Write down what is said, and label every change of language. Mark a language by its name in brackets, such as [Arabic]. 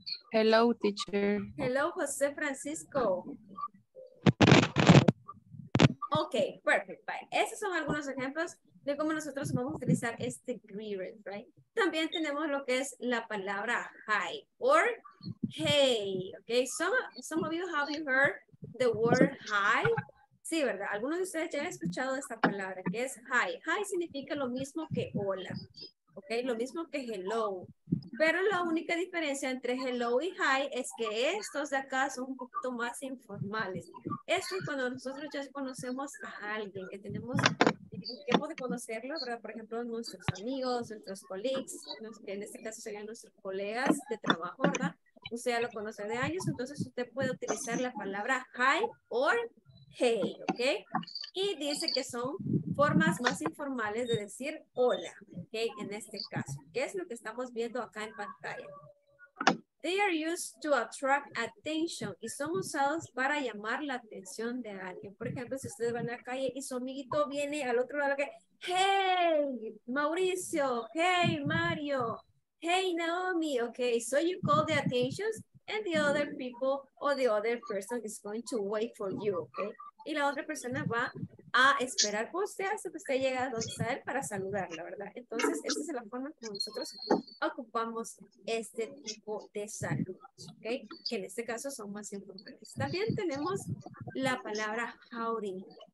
[English] Hello, teacher. Hello, Jose Francisco. Ok, perfect. Bye. [Spanish] Esos son algunos ejemplos de cómo nosotros vamos a utilizar este greeted, right? También tenemos lo que es la palabra hi or hey. [English] Ok, some of you have you heard the word hi? [Spanish] Sí, ¿verdad? Algunos de ustedes ya han escuchado esta palabra que es hi. Hi significa lo mismo que hola. Ok, lo mismo que hello. Pero la única diferencia entre hello y hi es que estos de acá son un poquito más informales. Esto es cuando nosotros ya conocemos a alguien, que tenemos tiempo de conocerlo, ¿verdad? Por ejemplo, nuestros amigos, nuestros colleagues, que en este caso serían nuestros colegas de trabajo, ¿verdad? Usted ya lo conoce de años, entonces usted puede utilizar la palabra hi or hey, ¿ok? Y dice que son formas más informales de decir hola, ¿ok? En este caso, ¿qué es lo que estamos viendo acá en pantalla? [English] They are used to attract attention [Spanish] y son usados para llamar la atención de alguien. Por ejemplo, si ustedes van a la calle y su amiguito viene al otro lado, que, hey, Mauricio, hey, Mario, hey, Naomi, ¿ok? [English] So you call the attention and the other people or the other person is going to wait for you, ¿ok? [Spanish] Y la otra persona va a esperar por usted hasta que usted llegue a donde está él para saludarla, ¿verdad? Entonces, esta es la forma como nosotros ocupamos este tipo de saludos, ¿ok? Que en este caso son más importantes. También tenemos la palabra howdy.